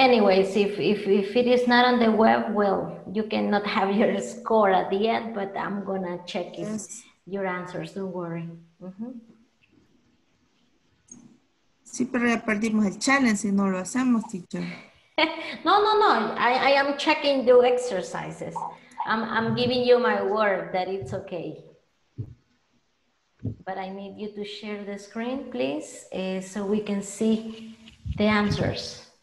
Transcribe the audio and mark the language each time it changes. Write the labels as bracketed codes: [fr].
[en] Anyways, if it is not on the web, well, you cannot have your score at the end, but I'm gonna check if your answers, don't worry. [es] Sí, pero ya perdimos el challenge si no lo hacemos, teacher. [en] No. I am checking the exercises. I'm giving you my word that it's okay. But I need you to share the screen, please, so we can see the answers.